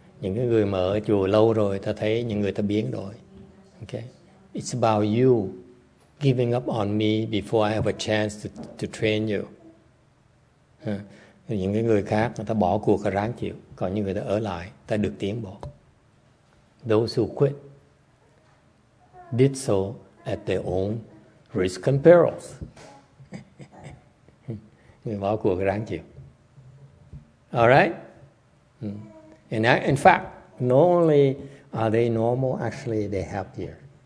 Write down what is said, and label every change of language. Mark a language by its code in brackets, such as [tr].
[vi] Những cái người mà ở chùa lâu rồi, ta thấy những người ta biến đổi. [en] Okay. It's about you giving up on me before I have a chance to train you. [vi] Những cái người khác, người ta bỏ cuộc và ráng chịu. Còn những người ta ở lại, ta được tiến bộ. [en] Those who quit did so at their own risk and perils. [vi] Mình bỏ cuộc ráng chịu. [en] All right? And I, in fact, not only are they normal, actually they happier.